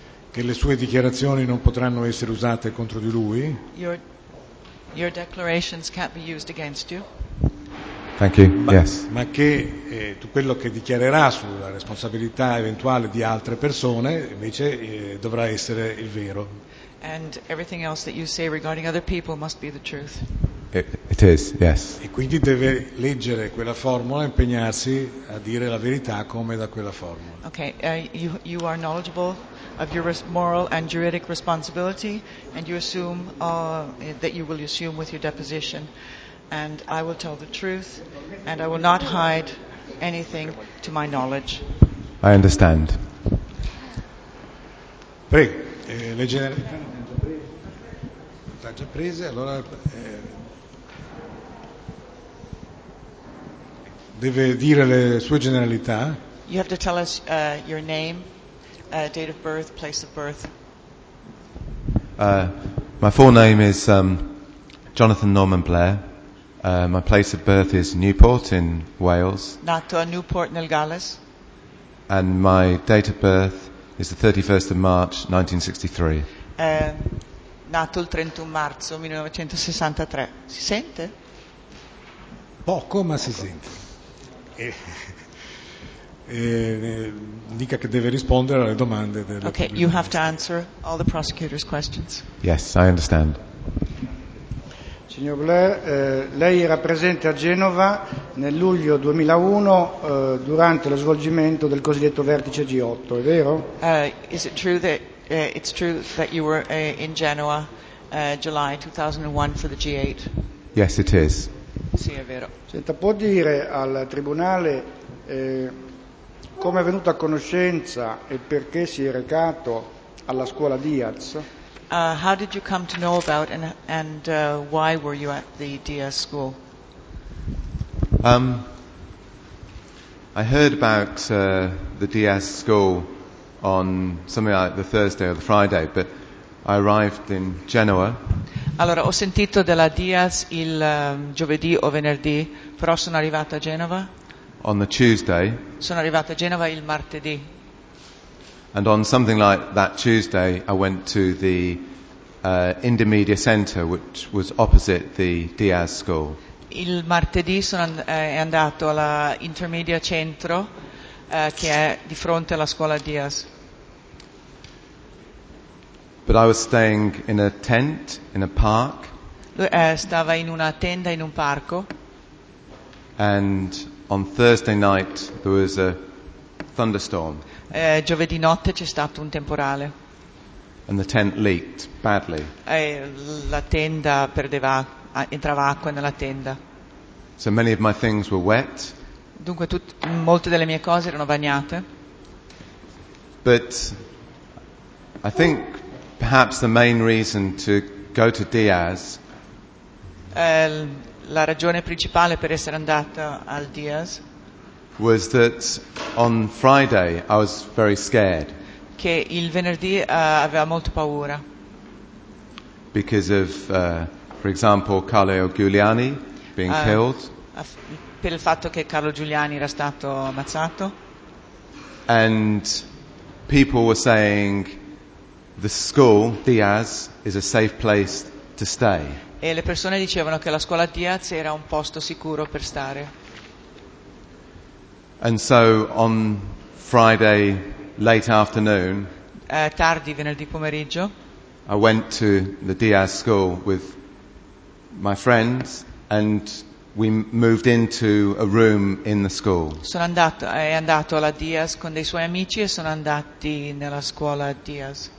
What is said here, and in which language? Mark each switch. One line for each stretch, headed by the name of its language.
Italian: Che le sue dichiarazioni non potranno essere usate contro di lui.
English: Your declarations can't be used against you. Thank you. Yes.
Italian: Ma che tu quello che dichiarerà sulla responsabilità eventuale di altre persone invece dovrà essere il vero.
English: And everything else that you say regarding other people must be the truth. It is, yes.
Italian: E quindi deve leggere quella formula, impegnarsi a dire la verità come da quella formula.
English: Okay, you are knowledgeable of your moral and juridic responsibility and you assume that you will assume with your deposition. And I will tell the truth, and I will not hide anything to my knowledge. I understand.
Italian: Prego, le generalità sono già prese, allora deve dire le sue generalità.
English: You have to tell us your name, date of birth, place of birth. My full name is Jonathan Norman Blair. My place of birth is Newport in Wales.
Italian: Nato a Newport nel Galles.
English: And my date of birth is the 31st of March 1963.
Italian: Nato il 31 marzo 1963. Si sente? Poco, ma si sente. Dica che deve rispondere alle domande del.
English: Okay, you have to answer all the prosecutor's questions. Yes, I understand.
Italian: Signor Blair, lei era presente a Genova nel luglio 2001 durante lo svolgimento del cosiddetto vertice G8, è vero?
English: Is it true that it's true that you were in Genova July 2001 for the G8? Yes, it is.
Italian: Sì, è vero. Senta, può dire al tribunale come è venuto a conoscenza e perché si è recato alla scuola Diaz?
English: How did you come to know about and why were you at the Diaz school? I heard about the Diaz school on something like the Thursday or the Friday, but I arrived in Genoa.
Italian: Allora, ho sentito della Diaz il giovedì o venerdì, però sono arrivato a Genova.
English: On the Tuesday.
Italian: Sono arrivato a Genova il martedì.
English: And on something like that Tuesday, I went to the Indymedia Center, which was opposite the Diaz School.
Italian: Il martedì sono andato alla Intermedia Centro, che è di fronte alla scuola Diaz.
English: But I was staying in a tent in a park.
Italian: Stava in una tenda in un parco.
English: And on Thursday night there was a thunderstorm.
Italian: Giovedì notte c'è stato un temporale.
English: And the tent leaked badly.
Italian: La tenda perdeva, entrava acqua nella tenda.
English: So many of my things were wet.
Italian: Dunque molte delle mie cose erano bagnate.
English: But I think perhaps the main reason to go to Diaz.
Italian: La ragione principale per essere andata al Diaz.
English: Was that on Friday I was very scared.
Italian: Che il venerdì aveva molto paura.
English: Because of, for example, Carlo Giuliani being killed.
Italian: Per il fatto che Carlo Giuliani era stato ammazzato.
English: And people were saying the school Diaz is a safe place to stay.
Italian: E le persone dicevano che la scuola Diaz era un posto sicuro per stare.
English: And so on Friday. Late afternoon,
Italian: tardi venerdì pomeriggio,
English: I went to the Diaz school with my friends and we moved into a room in the school.
Italian: Sono andato, è andato alla Diaz con dei suoi amici e sono andati nella scuola Diaz.